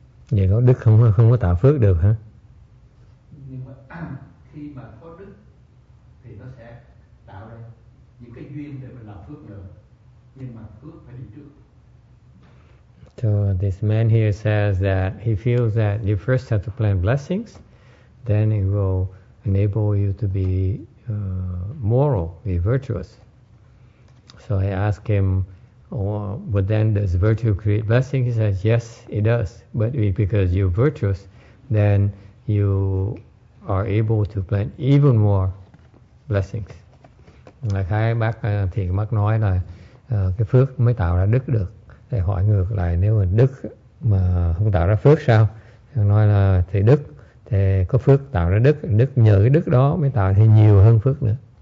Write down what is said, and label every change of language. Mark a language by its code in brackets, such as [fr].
[vi] Vậy có đức không có tạo phước được hả? Nhưng mà khi mà có đức thì nó sẽ tạo ra những cái duyên để mình làm phước nữa. Nhưng mà phước phải đi trước. [en] So this man here says that he feels that you first have to plant blessings, then it will enable you to be moral, be virtuous. So I ask him, but then does virtue create blessings? He says, yes, it does. But because you're virtuous, then you are able to plant even more blessings. [vi] Like hai bác thiện mắc nói là cái phước mới tạo ra đức được. Thầy hỏi ngược lại, nếu mà đức mà không tạo ra phước sao? Thầy nói là thầy đức, thì có phước tạo ra đức, đức nhờ cái đức đó mới tạo thêm nhiều hơn phước nữa.